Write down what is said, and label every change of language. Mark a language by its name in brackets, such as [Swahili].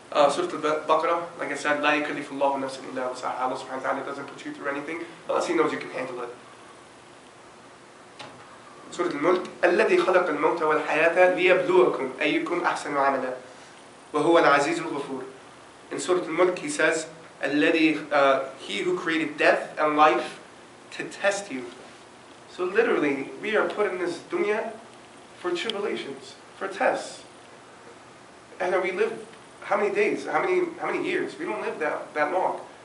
[English] Surah Al-Baqarah, like I said, [Arabic] لا يكلف الله نفسا إلا وسعها. [English] Allah subhanahu wa ta'ala doesn't put you through anything unless He knows you can handle it. Surah Al-Mulk, [Arabic] الذي خلق الموت والحياة ليبلوكم أيكم أحسن عملا وهو العزيز الغفور. [English] In Surah Al-Mulk, He says, He who created death and life to test you. So literally, we are put in this dunya for tribulations, for tests. And we live how many days, how many years? We don't live that long.